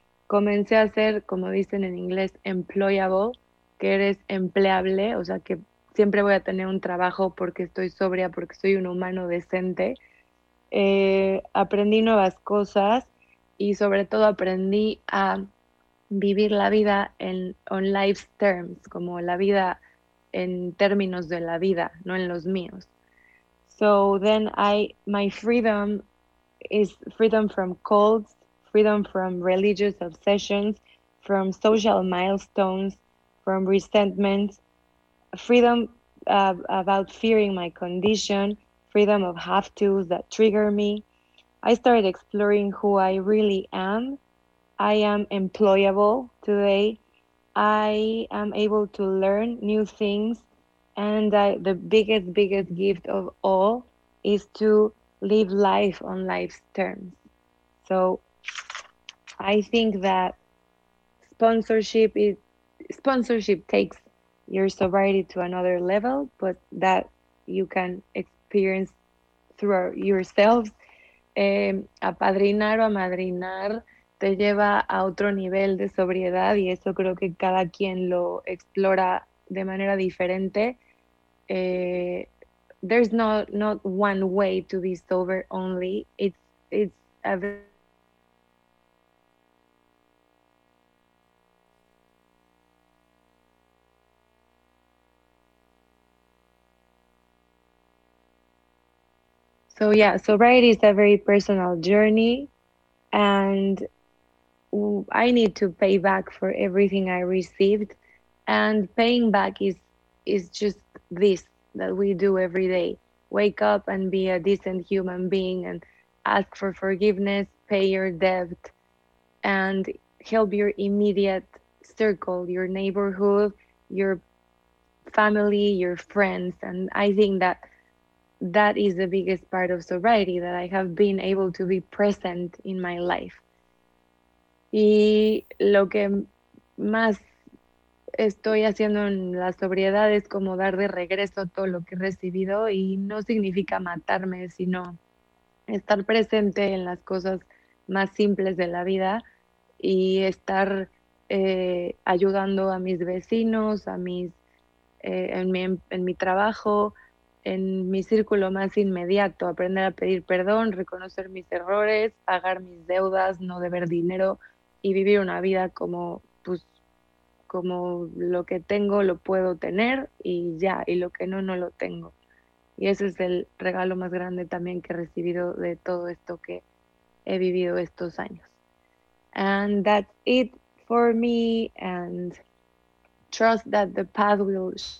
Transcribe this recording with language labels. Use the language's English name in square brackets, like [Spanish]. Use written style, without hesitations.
[Spanish] comencé a ser, como dicen en inglés, employable, que eres empleable, o sea que siempre voy a tener un trabajo porque estoy sobria, porque soy un humano decente. Aprendí nuevas cosas y sobre todo aprendí a vivir la vida en [English] on life's terms, [Spanish] como la vida en términos de la vida, no en los míos. [English] So then my freedom is freedom from cults, freedom from religious obsessions, from social milestones, from resentment, freedom about fearing my condition, freedom of have-tos that trigger me. I started exploring who I really am. I am employable today. I am able to learn new things. And the biggest gift of all is to live life on life's terms. So I think that sponsorship takes your sobriety to another level, but that you can experience through yourselves. [Spanish] Apadrinar o amadrinar te lleva a otro nivel de sobriedad, y eso creo que cada quien lo explora de manera diferente. [English] There's not one way to be sober only. It's a very... So yeah, sobriety is a very personal journey, and I need to pay back for everything I received, and paying back is just this that we do every day. Wake up and be a decent human being and ask for forgiveness, pay your debt, and help your immediate circle, your neighborhood, your family, your friends. And I think that is the biggest part of sobriety, that I have been able to be present in my life. [Spanish] Y lo que más estoy haciendo en la sobriedad es como dar de regreso todo lo que he recibido, y no significa matarme, sino estar presente en las cosas más simples de la vida y estar ayudando a mis vecinos, en mi trabajo, en mi círculo más inmediato, aprender a pedir perdón, reconocer mis errores, pagar mis deudas, no deber dinero, y vivir una vida como, pues, como lo que tengo lo puedo tener y ya, y lo que no, no lo tengo. Y ese es el regalo más grande también que he recibido de todo esto que he vivido estos años. [English] And that's it for me, and trust that the path will...